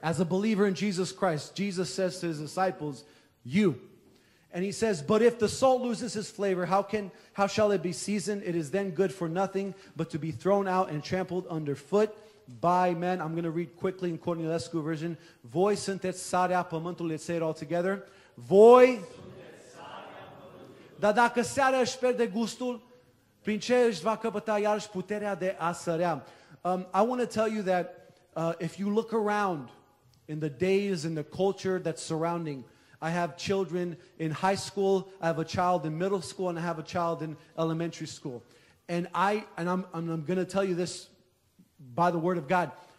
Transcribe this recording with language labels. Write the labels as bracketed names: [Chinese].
[English] As a believer in Jesus Christ, Jesus says to his disciples, you. And he says, but if the salt loses its flavor, how shall it be seasoned? It is then good for nothing but to be thrown out and trampled underfoot by men. I'm going to read quickly in Cornelescu version. [Romanian] Voi sunteți sarea pământului. [English] Let's say it all together. Voi [Romanian] sunteți sarea pământului. Dar dacă seara își pierde gustul, prin ce își va căpăta iarăși puterea de a sărea? [English] I want to tell you that if you look around in the days and the culture that's surrounding, I have children in high school, I have a child in middle school, and I have a child in elementary school. And I'm going to tell you this by the word of God.